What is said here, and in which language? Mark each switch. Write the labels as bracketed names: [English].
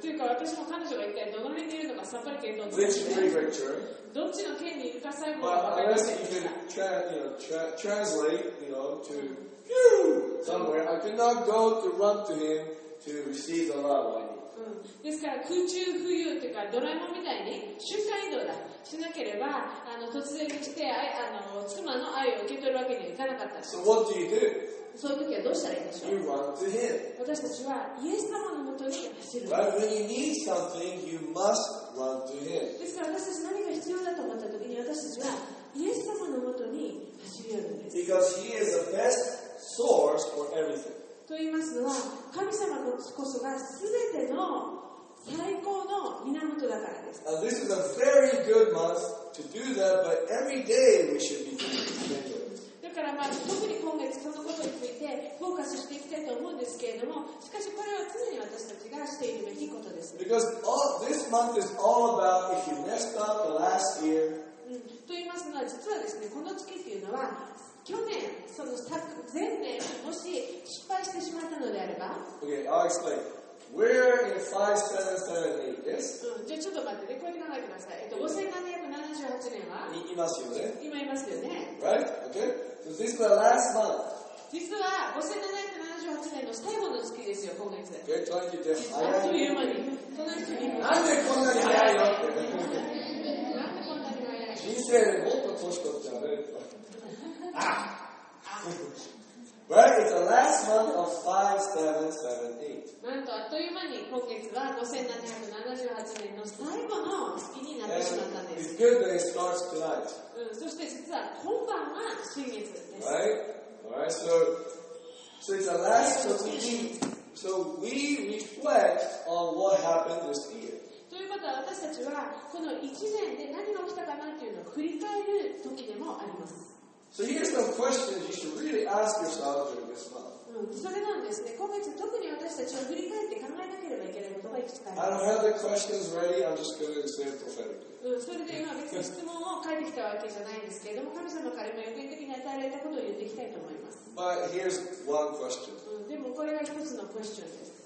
[Japanese] というか私も彼女が一体どの辺にいるのかさっぱり見当つかない。どっちの県にいるかさえも分かりませんでした。 [English] But I asked if you could translate, you know, to somewhere. I could not go to run to him to receive the love I need. [Japanese] ですから空中浮遊というかドラえもんみたいに瞬間移動だ。しなければあの突然来てあの妻の愛を受け取るわけにはいかなかった。 [English] So what do you do? [Japanese] そういう時はどうしたらいいでしょう。 [English] You run to him. [Japanese] 私たちはイエス様のもとに走る。 [English] Right, when you need something, you must run to him. [Japanese] ですから私たち何が必要だと思った時に私たちはイエス様のもとに走るんです。 [English] Because he is the best source for everything. [Japanese] と言いますのは神様こそが全ての最高の源だからです。 [English] Now, this is a very good month to do that, but every day we should be doing this. [Japanese] だからまあ、特に今月そのことについてフォーカスしていきたいと思うんですけれども、しかしこれは常に私たちがしているべきことです。 [English] Because all, this month is all about if you messed up the last year. [Japanese] と言いますのは、実はですね、この月というのは、去年、その前年、もし失敗してしまったのであれば。 [English] Okay, I'll explain. We're in 5778, yes? [Japanese] じゃあちょっと待ってね、こうやって考えてください。 5778年は、いますよね。今いますよね。 [English] Right? Okay? So this is the last month. [Japanese] 実は5778年の最後の月ですよ、今月。 [English] Okay, thank you, Jeff. [Japanese] あっという間に。なんでこんなに早いのって。なんでこんなに早い。人生でもっと年取っちゃうね。 [English] Right, it's the last month of 5778. [Japanese] なんとあっという間に今月は5778年の最後の月になってしまったんです。 [English] It's good that it starts tonight. [Japanese] そして実は今晩は新月です。 [English] Right, so it's the last of the year. So we reflect on what happened this year. [Japanese] ということは私たちはこの一年で何が起きたかなというのを振り返る時でもあります。 [English] So here's some questions you should really ask yourself during this month. [Japanese] それなんですね。今月特に私たちを振り返って考えなければいけないことがいくつかあります [English] 。I don't have the questions ready. I'm just going to say it prophetically. [Japanese] それで今別に質問を書いてきたわけじゃないんですけれども、神様から今予言的に与えられたことを言っていきたいと思います。 [English] But here's one question. [Japanese] でもこれが一つのクエスチョンです。